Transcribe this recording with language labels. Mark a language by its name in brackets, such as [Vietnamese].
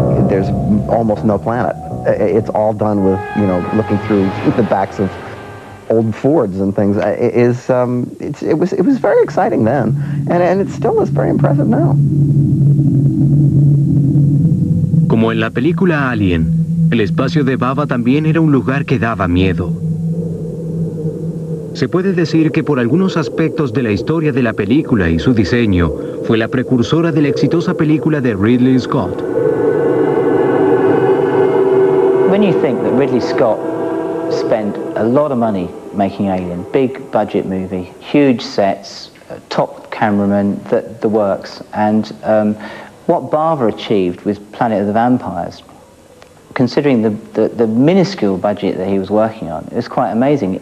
[English] There's almost no planet. It's all done with, you know, looking through the backs of old Fords and things. It was very exciting then, and it still is very impressive now. [Spanish] Como en la película Alien, el espacio de Bava también era un lugar que daba miedo. Se puede decir que por algunos aspectos de la historia de la película y su diseño, fue la precursora de la exitosa película de Ridley Scott. [English] When you think that Ridley Scott spent a lot of money making Alien, big budget movie, huge sets, top cameraman, the works, and what Bava achieved with Planet of the Vampires, considering the minuscule budget that he was working on, it was quite amazing.